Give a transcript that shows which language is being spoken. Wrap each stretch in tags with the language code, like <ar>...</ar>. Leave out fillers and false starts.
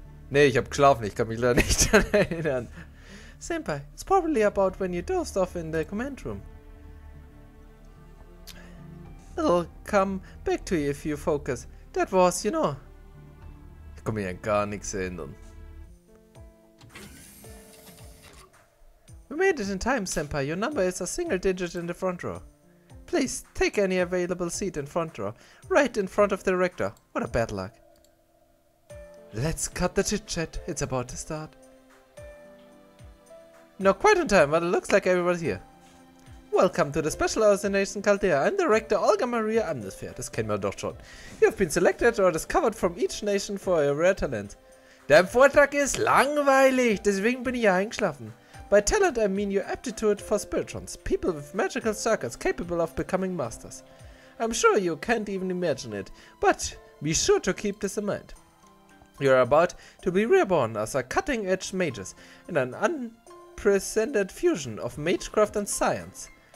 <de>Nee, ich hab geschlafen, ich kann mich leider nicht daran erinnern.</de> <en>Senpai, it's probably about when you dozed off in the command room. It'll come back to you if you focus. That was, you know.</en> <de>Ich kann mich an gar nichts erinnern.</de> <en>We made it in time, Senpai. Your number is a single digit in the front row. Please, take any available seat in front row. Right in front of the director. What a bad luck. Let's cut the chit-chat. It's about to start. Not quite on time, but it looks like everyone's here. Welcome to the Special Hours in Nation Caldea. I'm Director Olga Maria Amnesfer.</en> <de>Das kennen wir doch schon.</de> <en>You've been selected or discovered from each nation for your rare talent.</en> <de>Dein Vortrag ist langweilig, deswegen bin ich hier eingeschlafen.</de> <en>By talent, I mean your aptitude for Spiritrons, people with magical circles capable of becoming masters. I'm sure you can't even imagine it, but be sure to keep this in mind. You're about to be reborn as a cutting-edge mages in an unprecedented fusion of magecraft and science.</en>